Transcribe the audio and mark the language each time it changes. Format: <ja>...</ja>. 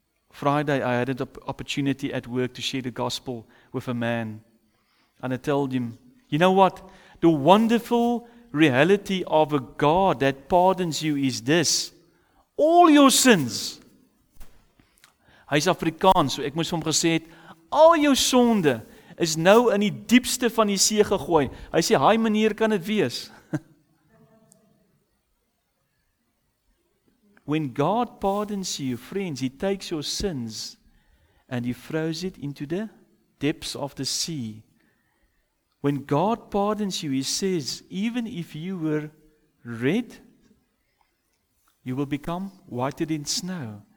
<en>Friday, I had an opportunity at work to share the gospel with a man. And I told him, you know what? The wonderful reality of a God that pardons you is this. All your sins.</en> <af>Hy is Afrikaans, so ek moes hom gesê het, al jou sonde is nou in die diepste van die see gegooi. Hy sê, hy manier kan het wees.</af> <en>When God pardons you, friends, He takes your sins and He throws it into the depths of the sea. When God pardons you, He says, even if you were red, you will become whiter than snow.</en>